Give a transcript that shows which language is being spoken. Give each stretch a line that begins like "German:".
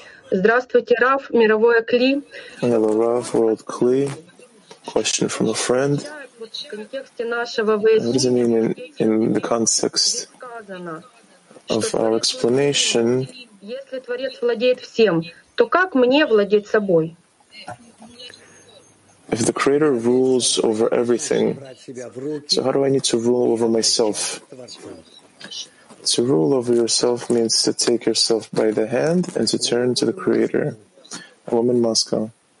Russian: Здравствуйте, Раф, мировое кли.
English: Hello, Raf, World Kli. Question from a friend. What does it mean in the context of our explanation?
Russian: Если Творец владеет всем, то как мне владеть собой?
English: If the Creator rules over everything, so how do I need to rule over myself? To rule over yourself means to take yourself by the hand and to turn to the Creator. A woman, Moscow.